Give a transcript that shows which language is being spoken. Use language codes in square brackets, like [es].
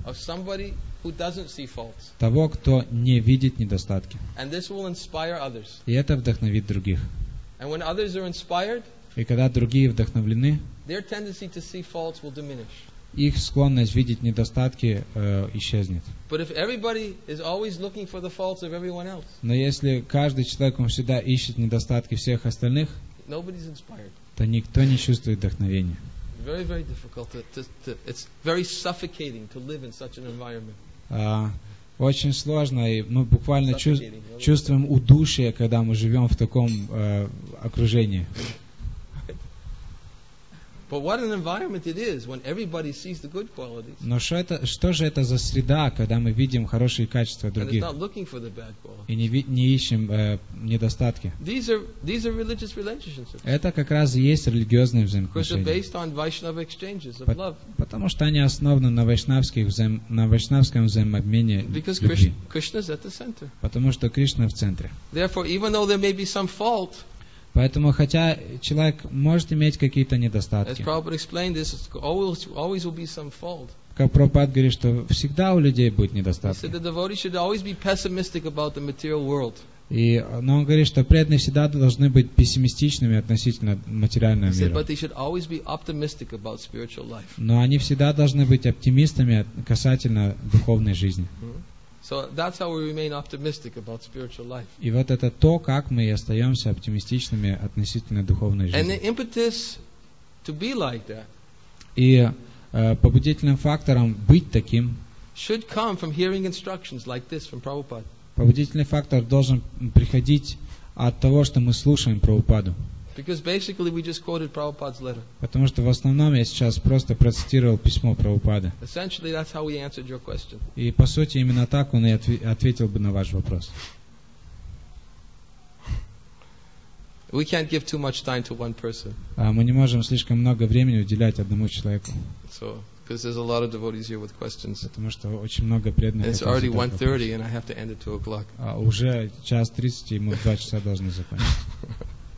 [en] of somebody who doesn't see faults. [ru] Того, кто не видит недостатки. [en] And this will inspire others. [ru] И это вдохновит других. [en] And when others are inspired, [ru] и когда другие вдохновлены, [en] their tendency to see faults will diminish. [ru] Их склонность видеть недостатки исчезнет. [en] But if everybody is always looking for the faults of everyone else, [ru] но если каждый человек он всегда ищет недостатки всех остальных, [en] nobody's inspired. [ru] То никто не чувствует вдохновения. [en] Very, very difficult. It's very suffocating to live in such an environment. [ru] Очень сложно, и мы буквально чувствуем удушье, когда мы живем в таком окружении. [en] But what an environment it is when everybody sees the good qualities. [ru] Но что же это за среда, когда мы видим хорошие качества других? [en] And it's not looking for the bad qualities. [ru] И не ищем недостатки. [en] These are religious relationships. [ru] Это как раз и есть религиозные взаимоотношения. [en] Because they're based on Vaishnava exchanges of love. [ru] Потому что они основаны на вайшнавском взаимообмене любви. [en] Because Krishna is at the center. [ru] Потому что Кришна в центре. [en] Therefore, even though there may be some fault. [ru] Поэтому, хотя человек может иметь какие-то недостатки, [en] as Prabhupada explained, this always will be some fault. [ru] Как Прабхупад говорит, что всегда у людей будет недостатки. [en] He said the devotee should always be pessimistic about the material world. [ru] Но он говорит, что преданные всегда должны быть пессимистичными относительно материального мира. [en] He said, but they should always be optimistic about spiritual life. [ru] Но они всегда должны быть оптимистами касательно духовной жизни. [en] So that's how we remain optimistic about spiritual life. [ru] И вот это то, как мы и остаемся оптимистичными относительно духовной жизни. [en] And the impetus to be like that. [ru] И побудительным фактором быть таким. [en] Should come from hearing instructions like this from Prabhupada. [ru] Побудительный фактор должен приходить от того, что мы слушаем Прабхупаду. [en] Because basically we just quoted Prabhupada's letter. [ru] Потому что в основном я сейчас просто процитировал письмо Прабхупады. [en] Essentially that's how we answered your question. [ru] И по сути именно так он и ответил бы на ваш вопрос. [en] We can't give too much time to one person. [ru] Мы не можем слишком много времени уделять одному человеку. [en] So, because there's a lot of devotees here with questions. [ru] Потому что очень много преданных. [en] It's already 1:30 and I have to end at 2 o'clock. [ru] Уже час 30 и мы в 2 часа должны закончить.